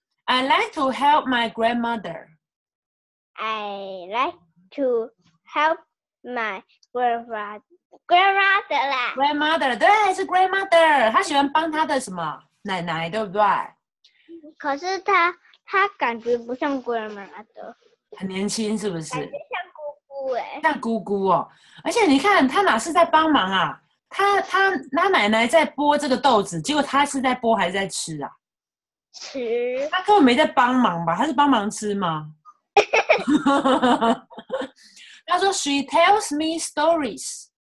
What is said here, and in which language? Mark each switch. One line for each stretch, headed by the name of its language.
English: I like to help my grandmother. I like to help my grandmother 啦。
Chinese: Grandmother， 对，是 grandmother。她喜欢帮她的什么奶奶，对不对？可是她感觉不像 grandmother，很年轻，是不是？感觉像姑姑哎。像姑姑哦，而且你看她哪是在帮忙啊？她奶奶在剥这个豆子，结果她是在剥还是在吃啊？吃，他根本没在帮忙吧？他是帮忙吃吗？他说 ，
English: She tells me stories.